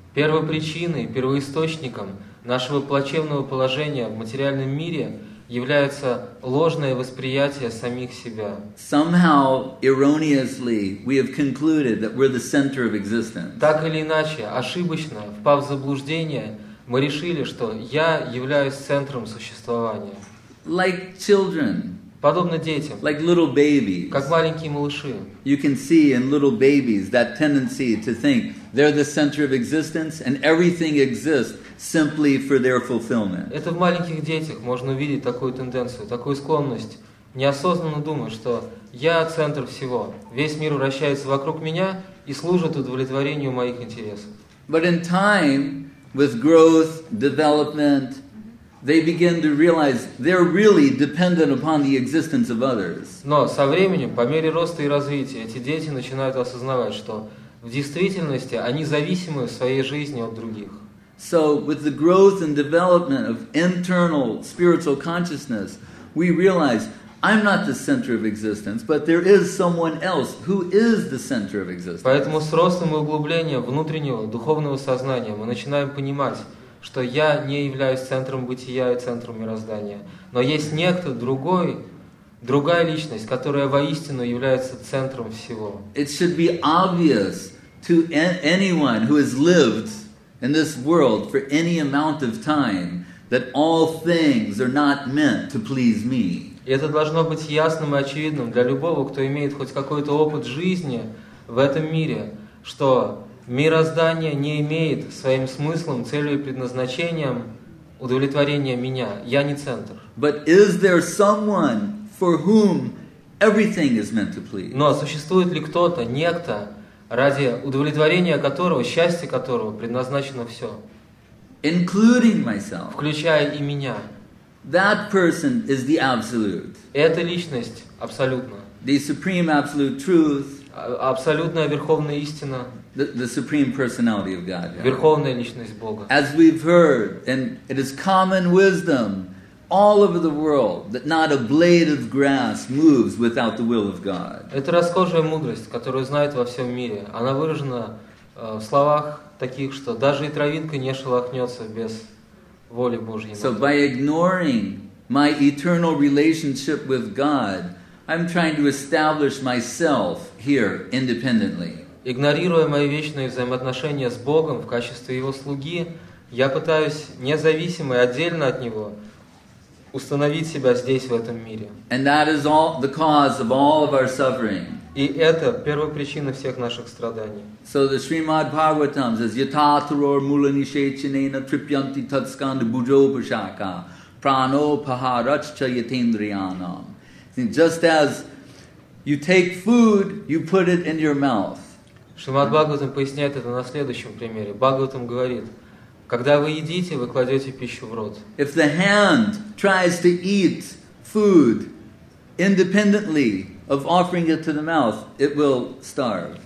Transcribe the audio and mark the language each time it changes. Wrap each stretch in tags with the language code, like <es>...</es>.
<ru>Первопричиной, первоисточником нашего плачевного положения в материальном мире является ложное восприятие самих себя.</ru> <en>Somehow, erroneously, we have concluded that we're the center of existence.</en> <ru>Так или иначе, ошибочно, впав в заблуждение, мы решили, что я являюсь центром существования.</ru> <en>Like children.</en> <ru>Подобно детям.</ru> <en>Like little babies.</en> <ru>Как маленькие малыши.</ru> <en>You can see in little babies that tendency to think they're the center of existence and everything exists simply for their fulfillment.</en> <ru>Это в маленьких детях можно увидеть такую тенденцию, такую склонность неосознанно думать, что я центр всего. Весь мир вращается вокруг меня и служит удовлетворению моих интересов.</ru> <en>But in time, with growth, development, they begin to realize they're really dependent upon the existence of others.</en> <ru>Но со временем, по мере роста и развития, эти дети начинают осознавать, что в действительности они зависимы в своей жизни от других.</ru> <en>So with the growth and development of internal spiritual consciousness, we realize I'm not the center of existence, but there is someone else who is the center of existence.</en> <ru>Поэтому с ростом и углублением внутреннего духовного сознания мы начинаем понимать, что я не являюсь центром бытия и центром мироздания, но есть некто другой, другая личность, которая воистину является центром всего.</ru> <en>It should be obvious to anyone who has lived in this world for any amount of time that all things are not meant to please me.</en> <ru>И это должно быть ясным и очевидным для любого, кто имеет хоть какой-то опыт жизни в этом мире, что мироздание не имеет своим смыслом, целью и предназначением удовлетворения меня. Я не центр.</ru> <en>But is there someone for whom everything is meant to please?</en> <ru>Но существует ли кто-то, некто, ради удовлетворения которого, счастья которого предназначено все?</ru> <en>Including myself.</en> <ru>Включая и меня.</ru> <en>That person is the absolute.</en> <ru>Эта личность абсолютно.</ru> <en>The supreme absolute truth.</en> <ru>Абсолютная верховная истина.</ru> <en>The supreme personality of God.</en> <ru>Верховная личность Бога.</ru> <en>As we've heard, and it is common wisdom, all over the world that not a blade of grass moves without the will of God.</en> <ru>Это расхожая мудрость, которую знают во всем мире. Она выражена в словах таких, что даже и травинка не шелохнется без воли Божьей.</ru> <en>So by ignoring my eternal relationship with God, I'm trying to establish myself here independently.</en> <ru>Игнорируя мои вечные взаимоотношения с Богом в качестве Его слуги, я пытаюсь независимо и отдельно от Него установить себя здесь, в этом мире.</ru> <en>And that is all the cause of all of our suffering.</en> <ru>И это первая причина всех наших страданий.</ru> <en>So the Srimad Bhagavatam says,</en> <sa>Yata Taror Mula Nishechinena Tripyanti Tatskanda Bujo Pushaka Prano Paharachcha Yatendriyanam.</sa> <en>Just as you take food, you put it in your mouth.</en> <ru>Шримад Бхагаватам поясняет это на следующем примере. Бхагаватам говорит, когда вы едите, вы кладете пищу в рот.</ru> <en>If the hand tries to eat food independently of offering it to the mouth, it will starve.</en>